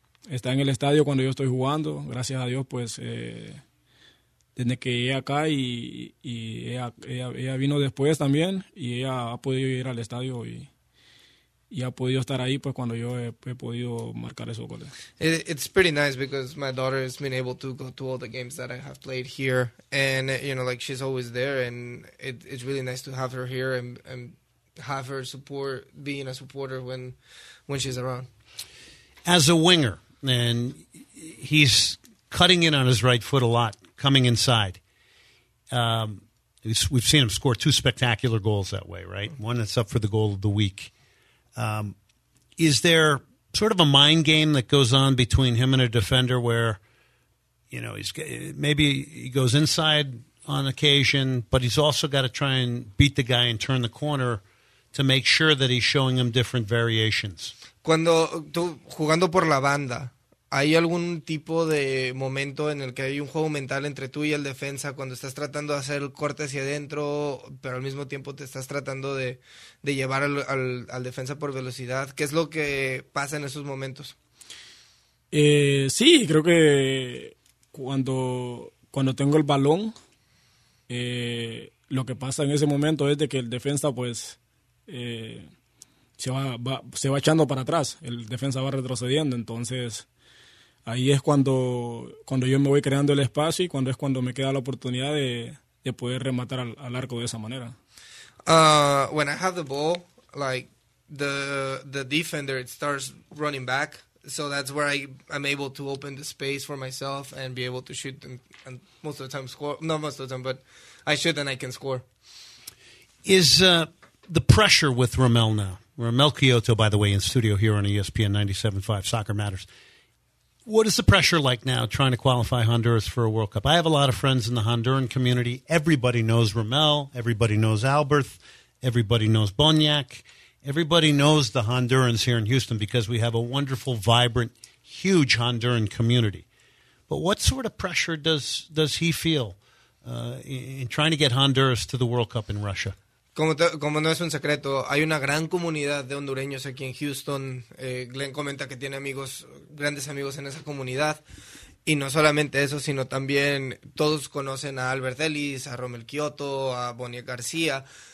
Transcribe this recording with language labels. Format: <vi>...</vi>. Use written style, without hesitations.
<es>está en el estadio cuando yo estoy jugando. Gracias a Dios, pues, desde que llegué acá y ella vino después también y ella ha podido ir al estadio y ha podido estar ahí pues cuando yo he podido marcar esos goles.</es> <en>It's pretty nice because my daughter has been able to go to all the games that I have played here, and you know, like, she's always there, and it's really nice to have her here and have her support, being a supporter when she's around. As a winger, and he's cutting in on his right foot a lot, coming inside. We've seen him score two spectacular goals that way, right? One that's up for the goal of the week. Is there sort of a mind game that goes on between him and a defender where, you know, maybe he goes inside on occasion, but he's also got to try and beat the guy and turn the corner to make sure that he's showing him different variations? Cuando tú jugando por la banda, ¿hay algún tipo de momento en el que hay un juego mental entre tú y el defensa cuando estás tratando de hacer el corte hacia adentro, pero al mismo tiempo te estás tratando de llevar al defensa por velocidad? ¿Qué es lo que pasa en esos momentos? Sí, creo que cuando tengo el balón, lo que pasa en ese momento es de que el defensa, pues, se va echando para atrás, el defensa va retrocediendo, entonces ahí es cuando yo me voy creando el espacio y cuando es cuando me queda la oportunidad de poder rematar al arco de esa manera. When I have the ball, like, the defender, it starts running back, so that's where I'm able to open the space for myself and be able to shoot and most of the time score. Not most of the time, but I shoot and I can score. Is the pressure with Romel now? Romel Kyoto, by the way, in studio here on ESPN 97.5 Soccer Matters. What is the pressure like now trying to qualify Honduras for a World Cup? I have a lot of friends in the Honduran community. Everybody knows Romel. Everybody knows Albert. Everybody knows Boniac. Everybody knows the Hondurans here in Houston because we have a wonderful, vibrant, huge Honduran community. But what sort of pressure does he feel in trying to get Honduras to the World Cup in Russia?</en> <es>Como no es un secreto, hay una gran comunidad de hondureños aquí en Houston. Glenn comenta que tiene amigos, grandes amigos en esa comunidad. Y no solamente eso, sino también todos conocen a Albert Ellis, a Romel Kyoto, a Bonnie García.</es>